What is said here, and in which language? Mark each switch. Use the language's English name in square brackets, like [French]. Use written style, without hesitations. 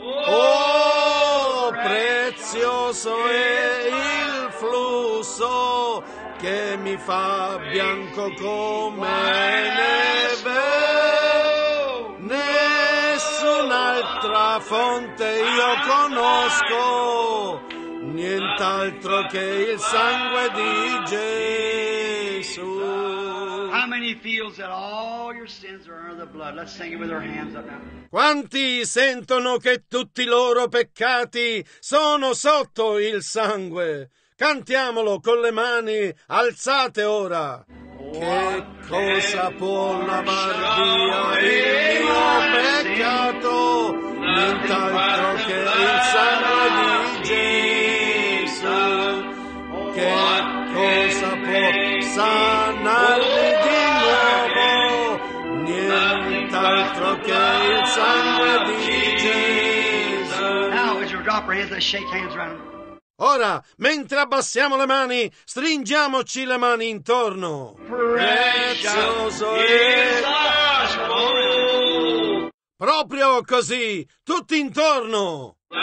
[Italian] Oh, prezioso è il flusso che mi fa bianco come neve. Nessuna fonte io conosco, nient'altro che il sangue di Gesù. [English] How many feels that all your sins are under the blood? Let's sing it with our hands up now. [Italian] Quanti sentono che tutti i loro peccati sono sotto il sangue? Cantiamolo con le mani alzate ora. Che cosa può lavar via il mio peccato? Nient'altro che il sangue di Gesù. Che cosa può sanarmi di nuovo? Nient'altro che il sangue di Gesù. [English] Now, as you drop your hands, let's shake hands around. [Italian] Ora, mentre abbassiamo le mani, stringiamoci le mani intorno. Prezioso è l'asmo. Proprio così, tutti intorno.